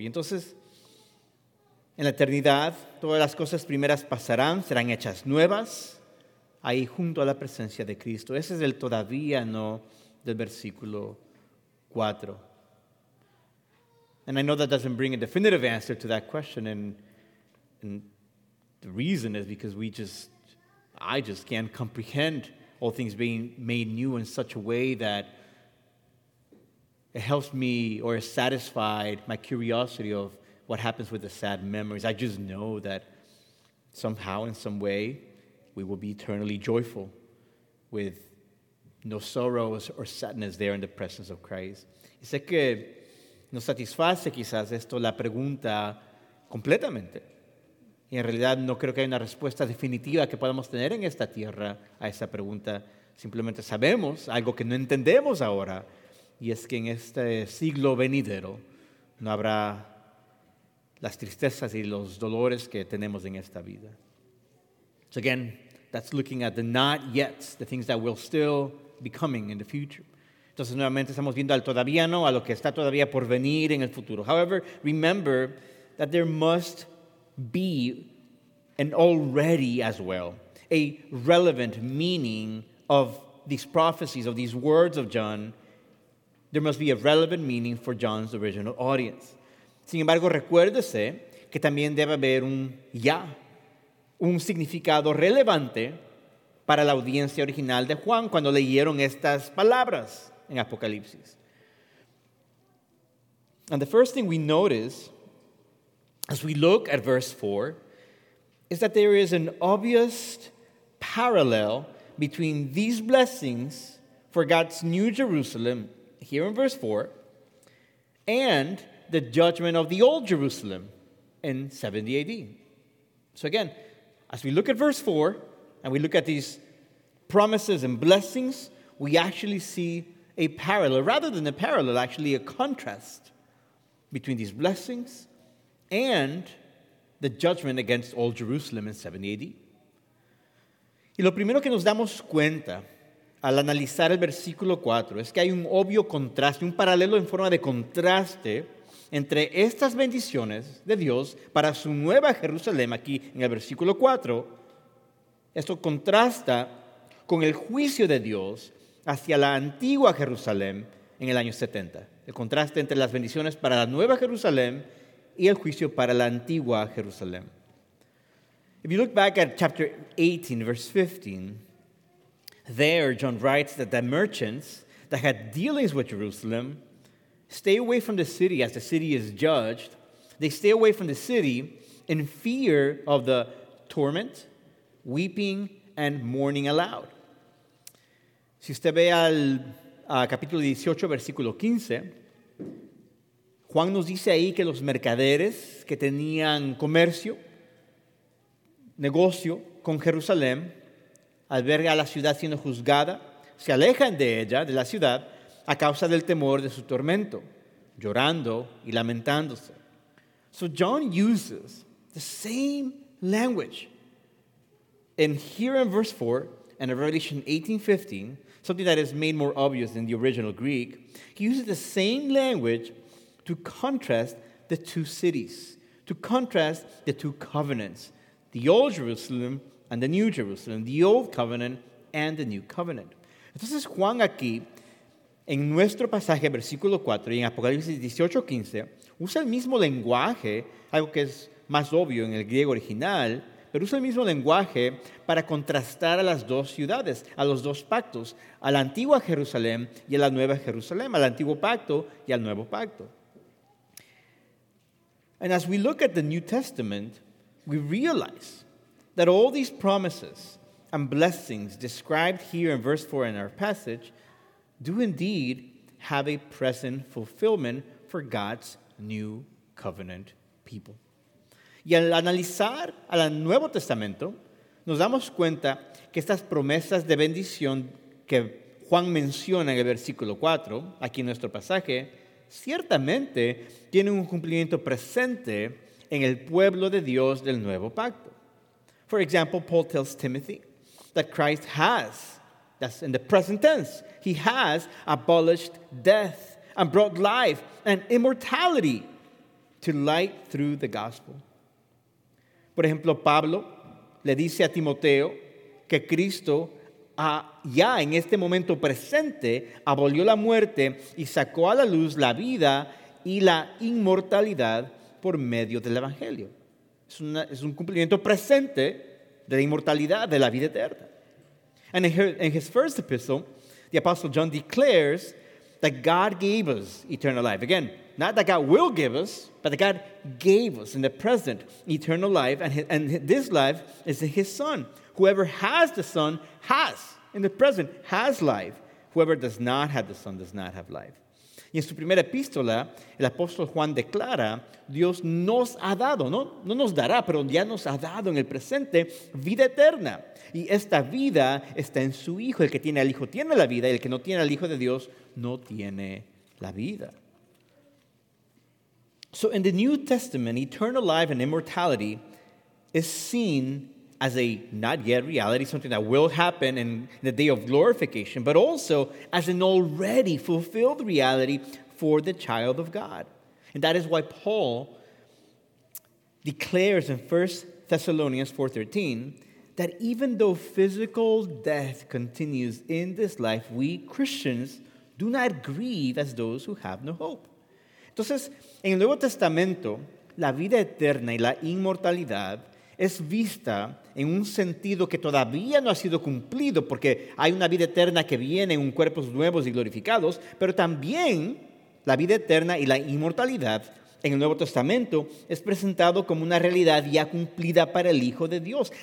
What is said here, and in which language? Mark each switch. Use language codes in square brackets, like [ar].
[es] Y entonces, en la eternidad, todas las cosas primeras pasarán, serán hechas nuevas, ahí junto a la presencia de Cristo. Ese es el todavía no del versículo 4. [en] And I know that doesn't bring a definitive answer to that question, and the reason is because I just can't comprehend all things being made new in such a way that it helps me or is satisfied my curiosity of what happens with the sad memories. I just know that somehow, in some way, we will be eternally joyful with no sorrows or sadness there in the presence of Christ. [es] Y sé que no satisface quizás esto la pregunta completamente. Y en realidad no creo que haya una respuesta definitiva que podamos tener en esta tierra a esa pregunta. Simplemente sabemos algo que no entendemos ahora. Y es que en este siglo venidero no habrá las tristezas y los dolores que tenemos en esta vida. [en] So again, that's looking at the not yet, the things that will still be coming in the future. [es] Entonces, nuevamente estamos viendo al todavía no, a lo que está todavía por venir en el futuro. [en] However, remember that there must be an already as well, a relevant meaning of these prophecies, of these words of John. There must be a relevant meaning for John's original audience. [es] Sin embargo, recuérdese que también debe haber un ya, un significado relevante para la audiencia original de Juan cuando leyeron estas palabras en Apocalipsis. [en] And the first thing we notice as we look at verse 4 is that there is an obvious parallel between these blessings for God's new Jerusalem here in verse 4 and the judgment of the old Jerusalem in 70 AD. So again, as we look at verse 4 and we look at these promises and blessings, we actually see a parallel, rather than a parallel, actually a contrast between these blessings and the judgment against all Jerusalem in 70 AD. [es] Y lo primero que nos damos cuenta al analizar el versículo 4 es que hay un obvio contraste, un paralelo en forma de contraste entre estas bendiciones de Dios para su nueva Jerusalén aquí en el versículo 4. Esto contrasta con el juicio de Dios hacia la antigua Jerusalén en el año 70. El contraste entre las bendiciones para la nueva Jerusalén y el juicio para la antigua Jerusalén. [en] If you look back at chapter 18, verse 15, there John writes that the merchants that had dealings with Jerusalem stay away from the city as the city is judged. They stay away from the city in fear of the torment, weeping, and mourning aloud. [es] Si usted ve al capítulo 18, versículo 15, Juan nos dice ahí que los mercaderes que tenían comercio, negocio con Jerusalén, al ver a la ciudad siendo juzgada, se alejan de ella, de la ciudad, a causa del temor de su tormento, llorando y lamentándose. [en] So John uses the same language in here in verse 4 and in Revelation 18:15, something that is made more obvious in the original Greek. He uses the same language to contrast the two cities, to contrast the two covenants, the old Jerusalem and the new Jerusalem, the old covenant and the new covenant. [es] Entonces Juan aquí, en nuestro pasaje, versículo 4, y en Apocalipsis 18:15, usa el mismo lenguaje, algo que es más obvio en el griego original, pero usa el mismo lenguaje para contrastar a las dos ciudades, a los dos pactos, a la antigua Jerusalén y a la nueva Jerusalén, al antiguo pacto y al nuevo pacto. [en] And as we look at the New Testament, we realize that all these promises and blessings described here in verse 4 in our passage do indeed have a present fulfillment for God's new covenant people. [es] Y al analizar al Nuevo Testamento, nos damos cuenta que estas promesas de bendición que Juan menciona en el versículo 4, aquí en nuestro pasaje, ciertamente tienen un cumplimiento presente en el pueblo de Dios del Nuevo Pacto. [en] For example, Paul tells Timothy that Christ has, that's in the present tense, he has abolished death and brought life and immortality to light through the gospel. [es] Por ejemplo, Pablo le dice a Timoteo que Cristo ya en este momento presente abolió la muerte y sacó a la luz la vida y la inmortalidad por medio del Evangelio. Es un cumplimiento presente de la inmortalidad, de la vida eterna. [en] And in his first epistle, the Apostle John declares that God gave us eternal life. Again, not that God will give us, but that God gave us in the present eternal life, and this life is in his Son. Whoever has the Son has, in the present, has life. Whoever does not have the Son does not have life. [es] Y en su primera epístola, el apóstol Juan declara, Dios nos ha dado, no nos dará, pero ya nos ha dado en el presente vida eterna. Y esta vida está en su Hijo. El que tiene al Hijo tiene la vida, y el que no tiene al Hijo de Dios no tiene la vida. [en] So in the New Testament, eternal life and immortality is seen as a not yet reality, something that will happen in the day of glorification, but also as an already fulfilled reality for the child of God. And that is why Paul declares in 1 Thessalonians 4:13 that even though physical death continues in this life, we Christians do not grieve as those who have no hope. [es] Entonces, en el Nuevo Testamento, la vida eterna y la inmortalidad es vista en un sentido que todavía no ha sido cumplido, porque hay una vida eterna que viene en cuerpos nuevos y glorificados, pero también la vida eterna y la inmortalidad en el Nuevo Testamento es presentado como una realidad ya cumplida para el Hijo de Dios.